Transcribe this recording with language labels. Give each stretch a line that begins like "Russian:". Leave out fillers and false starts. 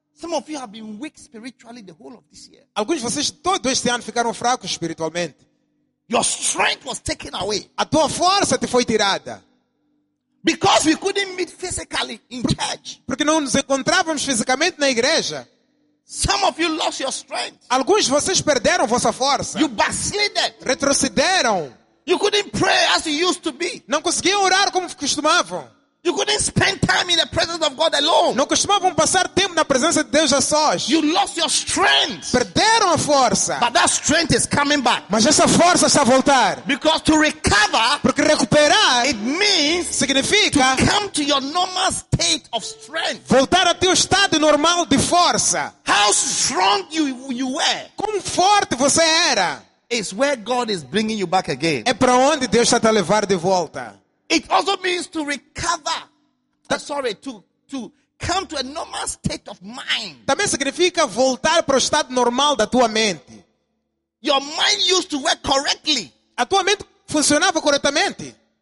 English: Some of you have been weak spiritually the whole of this year.
Portuguese: Alguns de vocês todo este ano ficaram fracos espiritualmente.
English: Your strength was taken away.
Portuguese: A tua força te foi tirada.
English: Because we couldn't meet physically in church.
Portuguese: Porque não nos encontrávamos fisicamente na igreja.
English: Some of you lost your strength.
Portuguese: Alguns de vocês perderam vossa força.
English: You backslided.
Portuguese: Retrocederam.
English: You couldn't pray as you used to be.
Portuguese: Não conseguiam orar como costumavam.
English: You couldn't spend time in the presence of God alone.
Portuguese: Não costumavam passar tempo na presença de Deus a sós.
English: You lost your strength.
Portuguese: Perderam a força.
English: But that strength is coming back.
Portuguese: Mas essa força está a voltar.
English: Because to recover,
Portuguese: porque recuperar,
English: it means
Portuguese: significa
English: to come to your normal state of strength.
Portuguese: Voltar ao teu estado normal de força.
English: How strong you were.
Portuguese: Quão forte você era.
English: Is where God is bringing you back again.
Portuguese: É para onde Deus está a levar de volta.
English: It also means to recover. To come to a normal state of mind.
Portuguese: Também significa voltar para o estado normal da tua mente.
English: Your mind used to work correctly.
Portuguese: A tua mente funcionava corretamente.